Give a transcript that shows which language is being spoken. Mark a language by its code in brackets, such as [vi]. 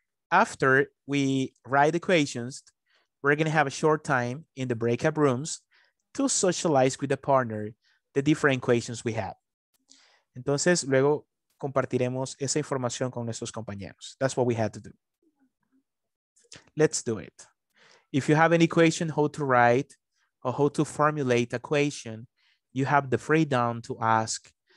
[en] After we write the questions, we're going to have a short time in the breakout rooms to socialize with the partner the different questions we have. [es] Entonces, luego compartiremos esa información con nuestros compañeros. [en] That's what we had to do. Let's do it. If you have any question how to write or how to formulate a question, you have the freedom to ask.